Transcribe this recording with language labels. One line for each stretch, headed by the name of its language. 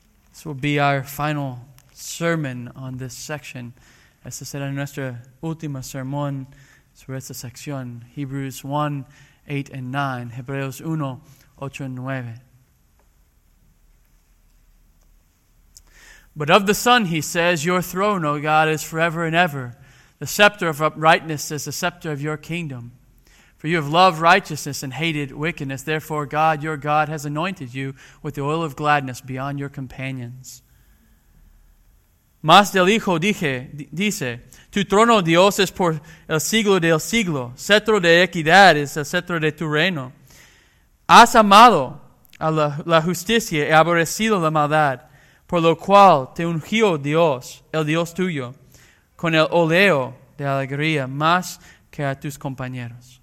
English: This will be our final sermon on this section.
Spanish: Este será nuestro último sermón sobre esta sección.
English: Hebrews 1, 8 and 9, Hebreos 1, 8 and 9. But of the Son, he says, your throne, O God, is forever and ever. The scepter of uprightness is the scepter of your kingdom. For you have loved righteousness and hated wickedness. Therefore, God, your God, has anointed you with the oil of gladness beyond your companions.
Spanish: Mas del Hijo dice, tu trono, Dios, es por el siglo del siglo. Cetro de equidad es el cetro de tu reino. Has amado a la justicia y aborrecido la maldad. Por lo cual te ungió Dios, el Dios tuyo, con el óleo de alegría más que a tus compañeros.